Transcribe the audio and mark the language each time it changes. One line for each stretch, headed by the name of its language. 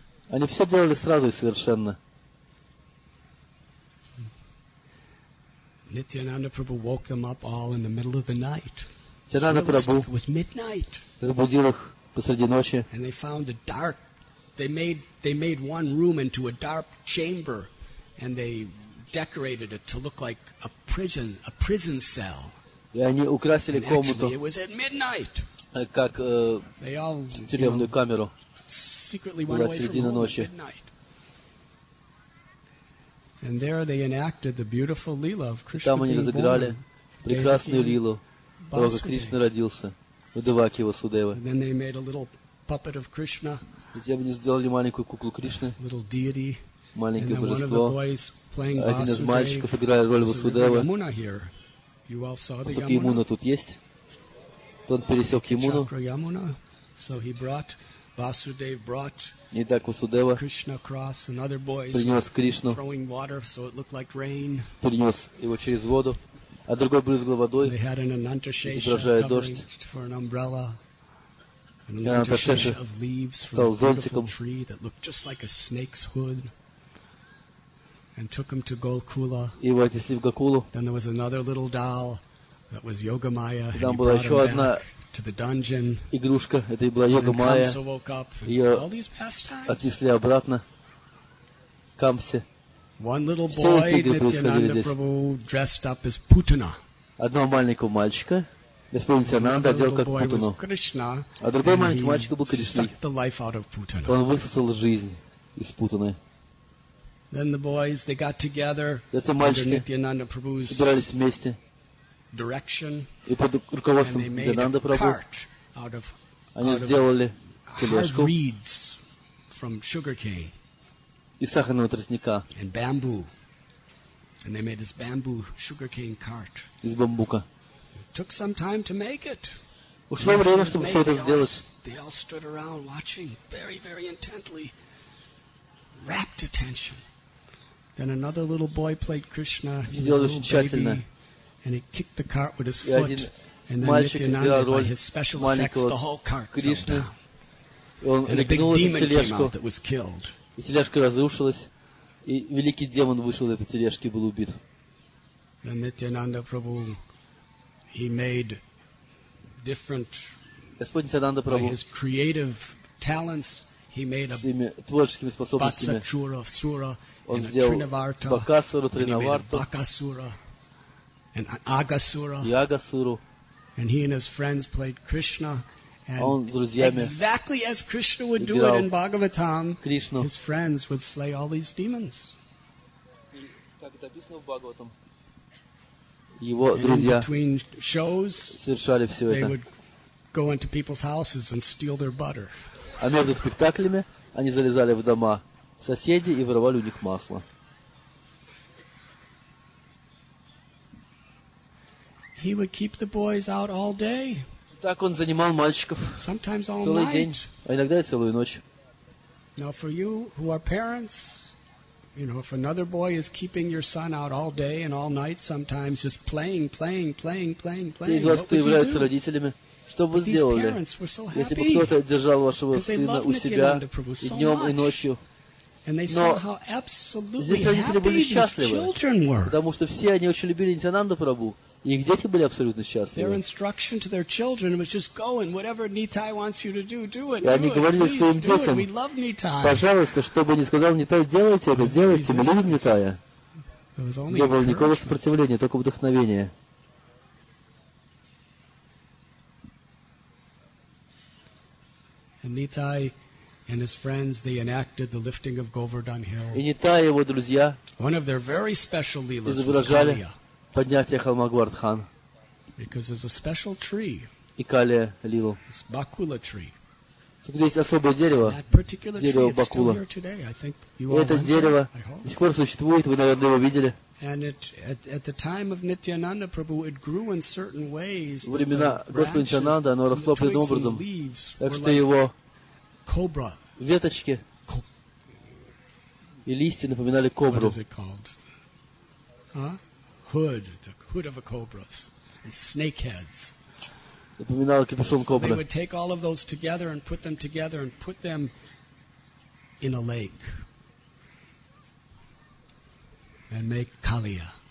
Russian: Они все делали сразу и совершенно.
English: Nityananda Prabhu woke them up all in the middle of the night. It was midnight.
Russian: Разбудил их посреди ночи.
English: And they found a dark. They made one room into a dark chamber, and they decorated it to look like a prison cell.
Russian: И они украсили комнату.
English: It was at midnight.
Russian: Как тюремную камеру.
English: Secretly went away from home at midnight. And there they enacted the beautiful Leela of Krishna.
Russian: Там они разыграли прекрасную Лилу. Бога Кришна родился в Деваке его Судева.
English: And then they made a little puppet of Krishna.
Russian: Затем они сделали маленькую куклу Кришны.
English: Little deity.
Russian: Маленькое божество. Один из мальчиков играл роль Васудевы. Высокий Ямуна тут есть. Он пересек Ямуну.
English: So he brought Vasudev brought
Russian: Итак, Васудева
English: Krishna cross and other boys
Russian: принес Кришну,
English: throwing water so it looked like rain.
Russian: Принес его через воду, а другой брызгал водой, изображая дождь.
English: For an umbrella, an anantashesha of leaves from a beautiful tree that looked just like a snake's hood, and took him to Gokula.
Russian: Его отнесли в Гокулу.
English: Then there was another little doll that was Yogamaya.
Russian: И там была еще одна
English: to the dungeon.
Russian: Игрушка, это и была Йога Майя. Ее отнесли обратно Камсе.
English: One little boy, Nityananda Prabhu, dressed up as Putana.
Russian: Одного маленького мальчика, господин Тянанда, одел как Путану. А другой маленький мальчик был Кришной. Он высосал жизнь из Путаны.
English: Then the boys, they got together under
Russian: собирались вместе.
English: Direction,
Russian: и под руководством Нитьянанда Прабху они сделали тележку
English: reeds from sugar cane
Russian: из сахарного тростника
English: and bamboo. And they made this bamboo sugar cane cart.
Russian: Из бамбука.
English: It took some time to make it.
Russian: Ушло время, чтобы все это сделать.
English: They all stood around watching very, very intently, rapt attention. Then another little boy played Krishna. And he kicked the cart with his foot. And then Nityananda, by his special effects, the whole cart fell down. And a big demon came out that was killed.
Russian: И тележка разрушилась, и великий демон вышел из этой тележки и был убит.
English: And Nityananda Prabhu, he made different.
Russian: Господь Нитьянанда Прабху.
English: By his creative talents, he made a.
Russian: Своими творческими способностями. Бацачура, Сура, он сделал Бакасуру, Тринаварту.
English: And Агасура.
Russian: И Агасуру.
English: And he and his friends played Krishna. And
Russian: он с друзьями
English: exactly as Krishna would do it in Bhagavatam, his friends would slay all these demons.
Russian: И как это описано в Бхагаватам, его друзья
English: between shows,
Russian: совершали все
English: they
Russian: это.
English: Would go into people's houses and steal their butter.
Russian: А между спектаклями они залезали в дома соседей и воровали у них масло.
English: He would keep the boys out all day.
Russian: Так он занимал мальчиков
English: sometimes all
Russian: целый
English: night.
Russian: День, а иногда и целую ночь.
English: Now for you who are parents, you know, if another boy is keeping your son out all day and all night, sometimes just playing.
Russian: Из вас, кто является родителями, что бы вы сделали, если бы кто-то держал вашего сына у себя и днем, и ночью?
English: And they saw how absolutely happy these children were.
Russian: Потому что все они очень любили Нитьянанду Прабху. Их дети были абсолютно счастливы.
English: Their instruction to their children was just go and whatever Nitai wants you to do, do it.
Russian: И они говорили своим детям, пожалуйста, что бы ни сказал Нитай, делайте это, делайте, мы любим Нитая. Не было никакого сопротивления, только вдохновение.
English: And Nitai and his friends, they enacted the lifting of Govardhan Hill.
Russian: И Нитай и его друзья
English: one of their very special leelas was Kaliya.
Russian: Поднятие холма Гвардхан.
English: Because there's a special tree.
Russian: И Калия Лилу.
English: It's Бакула tree.
Russian: Тут есть особое дерево. Дерево Бакула. И это дерево до сих пор существует. Вы, наверное, его видели.
English: And it, at the time of Nityananda Prabhu, it grew in certain ways.
Russian: Во времена Господа Нитьянанды оно росло определенным образом. Так что его
English: cobra.
Russian: Веточки и листья напоминали кобру. What is it called? Hood, the hood of a cobra, and snake heads. So they would take all of those together and put them together and put them in a lake and make Kaliya.